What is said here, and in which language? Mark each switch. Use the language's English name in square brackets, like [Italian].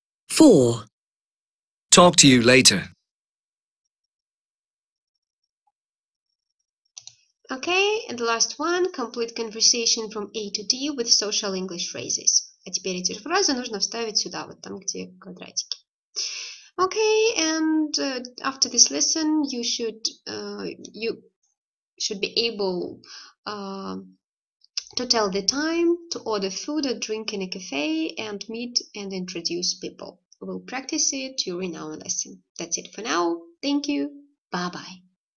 [English] 4. Talk to you later. Okay, and the last one. Complete conversation from A to D with social English phrases. [Russian] А теперь эти фразы нужно вставить сюда, вот там, где квадратики. [English] Okay, and after this lesson, you should be able to tell the time, to order food or drink in a cafe, and meet and introduce people. We'll practice it during our lesson. That's it for now. Thank you. Bye-bye.